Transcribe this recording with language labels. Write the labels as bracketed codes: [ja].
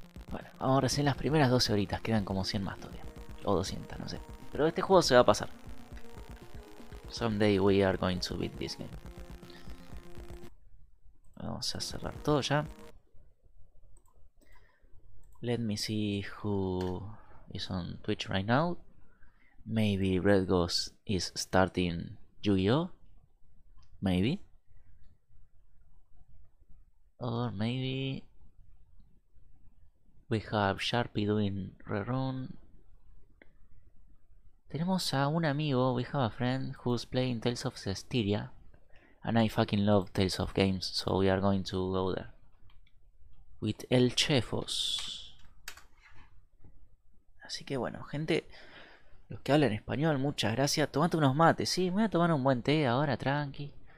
[es] Bueno, vamos recién las primeras 12 horitas, quedan como 100 más todavía. O 200, no sé. Pero este juego se va a pasar. [en] Someday we are going to beat this game. [es] Vamos a cerrar todo ya. [en] Let me see who is on Twitch right now. Maybe Red Ghost is starting Yu-Gi-Oh. Maybe. Or maybe we have Sharpie doing rerun. [es] Tenemos a un amigo, [en] we have a friend who's playing Tales of Zestiria. And I fucking love Tales of Games, so we are going to go there. With El Chefos. [es] Así que bueno, gente, los que hablan español, muchas gracias. Tomate unos mates, sí, me voy a tomar un buen té ahora, tranqui.